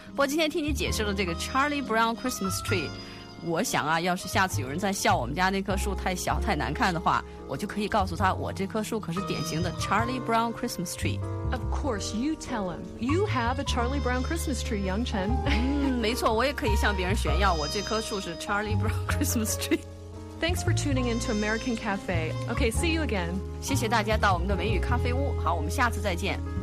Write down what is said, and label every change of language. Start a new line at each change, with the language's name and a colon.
Chinese: 不过今天听你解释了这个 Charlie Brown Christmas tree,我想啊，要是下次有人再笑我们家那棵树太小太难看的话，我就可以告诉他，我这棵树可是典型的 Charlie Brown Christmas tree.
English: Of course, you tell him. You have a Charlie Brown Christmas tree, Yang Chen.
Chinese: 没错，我也可以向别人炫耀我这棵树是 Charlie Brown Christmas tree.
English: Thanks for tuning in to American Cafe. Okay, see you again.
Chinese: 谢谢大家到我们的美语咖啡屋。好，我们下次再见。